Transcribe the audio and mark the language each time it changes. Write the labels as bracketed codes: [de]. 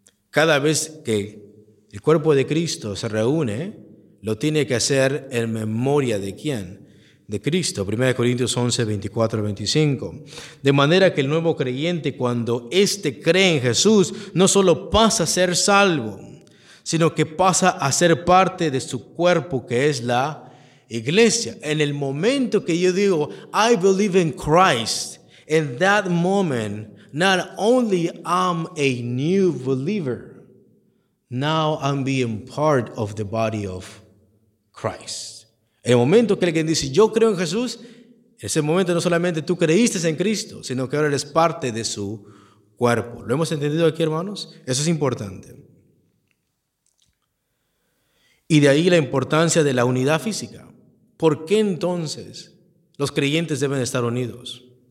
[es] Cada vez que el cuerpo de Cristo se reúne, lo tiene que hacer en memoria de quién. De Cristo, 1 Corintios 11, 24 al 25. De manera que el nuevo creyente, cuando éste cree en Jesús, no solo pasa a ser salvo, sino que pasa a ser parte de su cuerpo, que es la iglesia. En el momento que yo digo, [en] I believe in Christ, in that moment, not only I'm a new believer, now I'm being part of the body of Christ. [es] En el momento que alguien dice, yo creo en Jesús, en ese momento no solamente tú creíste en Cristo, sino que ahora eres parte de su cuerpo. ¿Lo hemos entendido aquí, hermanos? Eso es importante. Y de ahí la importancia de la unidad física. ¿Por qué entonces los creyentes deben estar unidos?